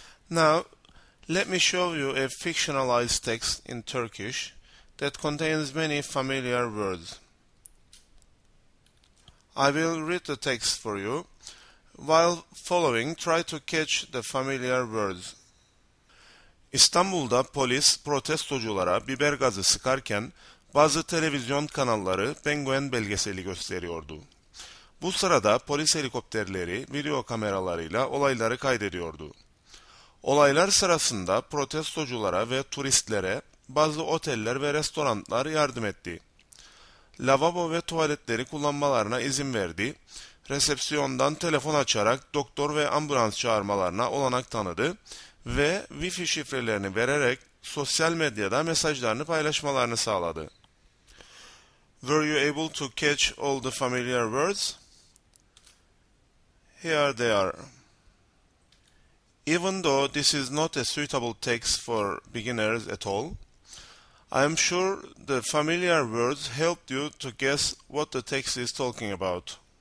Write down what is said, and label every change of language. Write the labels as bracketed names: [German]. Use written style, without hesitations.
[English] Now, let me show you a fictionalized text in Turkish that contains many familiar words. I will read the text for you. While following, try to catch the familiar words. [Turkish] İstanbul'da polis protestoculara biber gazı sıkarken bazı televizyon kanalları penguen belgeseli gösteriyordu. Bu sırada polis helikopterleri video kameralarıyla olayları kaydediyordu. Olaylar sırasında protestoculara ve turistlere bazı oteller ve restoranlar yardım etti. Lavabo ve tuvaletleri kullanmalarına izin verdi. Resepsiyondan telefon açarak doktor ve ambulans çağırmalarına olanak tanıdı ve wifi şifrelerini vererek sosyal medyada mesajlarını paylaşmalarını sağladı. [English] Were you able to catch all the familiar words? Here they are. Even though this is not a suitable text for beginners at all, I am sure the familiar words helped you to guess what the text is talking about.